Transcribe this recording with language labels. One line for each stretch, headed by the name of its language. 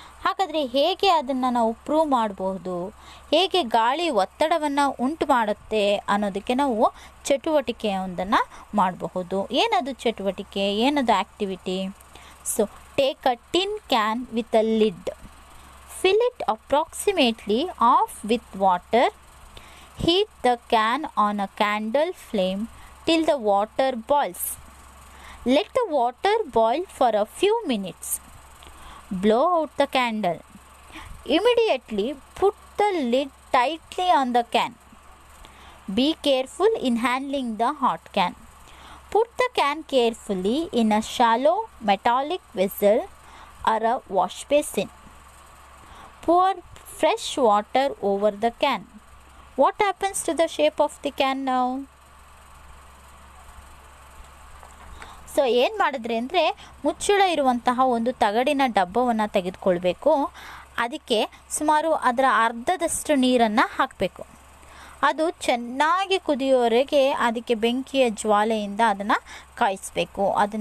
Kannada: ಹಾಗಾದರೆ ಹೇಗೆ ಅದನ್ನು ನಾವು ಪ್ರೂವ್ ಮಾಡಬಹುದು, ಹೇಗೆ ಗಾಳಿ ಒತ್ತಡವನ್ನು ಉಂಟು ಮಾಡುತ್ತೆ ಅನ್ನೋದಕ್ಕೆ ನಾವು ಚಟುವಟಿಕೆ ಒಂದನ್ನು ಮಾಡಬಹುದು. ಏನದು ಚಟುವಟಿಕೆ, ಏನದು activity?
English: So take a tin can with a lid, fill it approximately half with water, heat the can on a candle flame till the water boils, let the water boil for a few minutes, blow out the candle, immediately put the lid tightly on the can, be careful in handling the hot can, put the can carefully in a shallow metallic vessel or a wash basin. Pour fresh water over the can. What happens to the shape of the can now?
Kannada: So ಏನು ಮಾಡಿದ್ರೆ ಅಂದರೆ, ಮುಚ್ಚಳ ಇರುವಂತಹ ಒಂದು ತಗಡಿನ ಡಬ್ಬವನ್ನು ತೆಗೆದುಕೊಳ್ಬೇಕು. ಅದಕ್ಕೆ ಸುಮಾರು ಅದರ ಅರ್ಧದಷ್ಟು ನೀರನ್ನು ಹಾಕಬೇಕು. ಅದು ಚೆನ್ನಾಗಿ ಕುದಿಯೋವರೆಗೆ ಅದಕ್ಕೆ ಬೆಂಕಿಯ ಜ್ವಾಲೆಯಿಂದ ಅದನ್ನು ಕಾಯಿಸ್ಬೇಕು.